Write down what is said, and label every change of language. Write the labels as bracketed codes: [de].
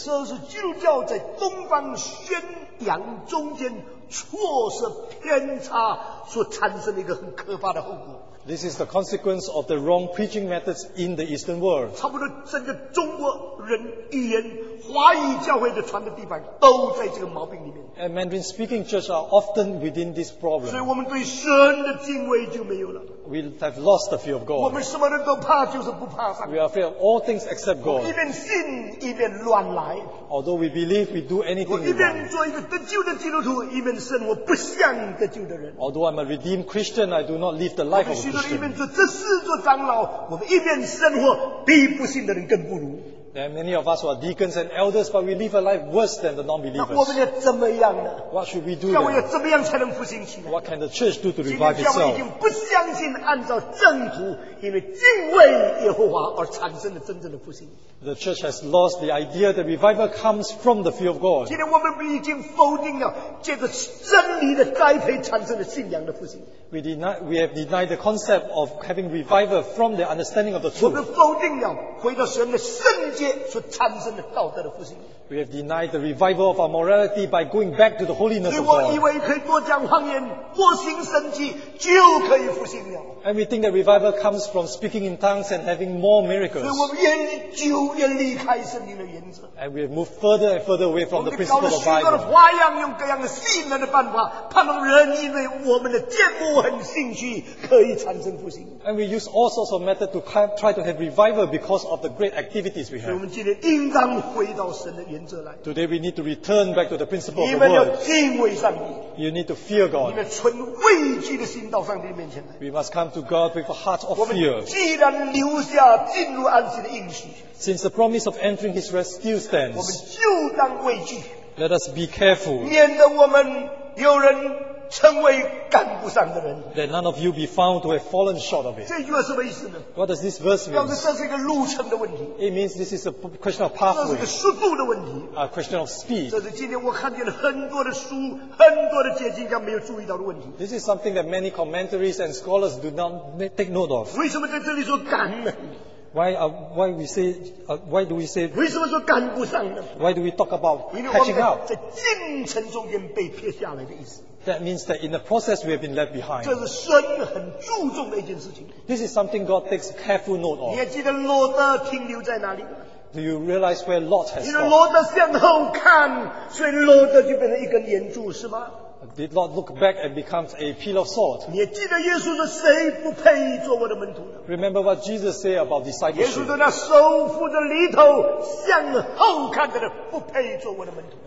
[en] So is [zh] 基督教在东方宣扬中间错失偏差所产生的一个很可怕的后果。 [en] This is the consequence of the wrong preaching methods in the Eastern world. [zh] 差不多整个中国人语言华语教会的传的地方都在这个毛病里面。 [en] And Mandarin speaking churches are often within this problem. [zh] 所以我们对神的敬畏就没有了。 [en] We have lost the fear of God. [zh] 我们什么人都怕，就是不怕上帝。 [en] We are afraid of all things except God. [zh] 一边信一边乱来。 [en] Although we believe we do anything wrong. [zh] 我一边做一个得救的基督徒，一边信我不像得救的人。 [en] Although I'm a redeemed Christian, I do not live the life of [zh] 我们一边做这四座长老，我们一边生活，比不信的人更不如。 [en] There are many of us who are deacons and elders, but we live a life worse than the non-believers. [zh] 那我们要怎么样呢？ [en] What should we do? [zh] 教会要怎么样才能复兴起来？ [en] What can the church do to revive itself? [zh] 今天教会已经不相信按照正途，因为敬畏耶和华而产生的真正的复兴。 [en] The church has lost the idea that revival comes from the fear of God. [zh] 今天我们已经否定了借着真理的栽培产生的信仰的复兴。 [en] We have denied the concept of having revival from the understanding of the truth. [zh] 我们否定了回到神的圣洁所产生的道德的复兴。 [en] We have denied the revival of our morality by going back to the holiness of God. [zh] 所以我以为可以多讲方言，多行神迹，就可以复兴了。 [en] And we think that revival comes from speaking in tongues and having more miracles. [zh] 所以我们远久远离开圣经的原则。 [en] And we have moved further and further away from the principle of Bible. [zh] 我们搞了许多的花样，用各样的吸引人的办法，盼望人因为我们的节目很兴趣，可以产生复兴。 [en] And we use all sorts of methods to try to have revival because of the great activities we have. [zh] 所以我们今天应当回到神的原则来。 [en] Today we need to return back to the principle of the word. [zh] 你们要敬畏上帝。 [en] You need to fear God. [zh] 你们存畏惧的心到上帝面前来。 [en] We must come to God with a heart of fear. [zh] 我们既然留下进入安息的应许。 [en] Since the promise of entering His rest still stands. [zh] 我们就当畏惧。 [en] Let us be careful. [zh] 免得我们有人成为赶不上的人。 [en] That none of you be found to have fallen short of it. [zh] 这句话什么意思呢？ [en] What does this verse mean? [zh] 表示这是一个路程的问题。 [en] It means this is a question of pathway. [zh] 这是个速度的问题。 [en] A question of speed. [zh] 这是今天我看见了很多的书，很多的解经家没有注意到的问题。 [en] This is something that many commentaries and scholars do not take note of. [zh] 为什么在这里说赶呢？ [en] Why do we say? Why do we talk about catching up? [zh] 在进程中间被撇下来的意思。 [en] That means that in the process we have been left behind. [zh] 这是神很注重的一件事情。 [en] This is something God takes careful note of. [zh] 你还记得罗德停留在哪里？ [en] Do you realize where Lot has gone? [zh] 因为罗德向后看，所以罗德就变成一根岩柱，是吗？ [en] Did not look back and becomes a pillar of salt. [zh] 你也记得耶稣说谁不配做我的门徒呢？ [en] Remember what Jesus said about discipleship. [zh] 耶稣说那手扶着犁头向后看的人不配做我的门徒。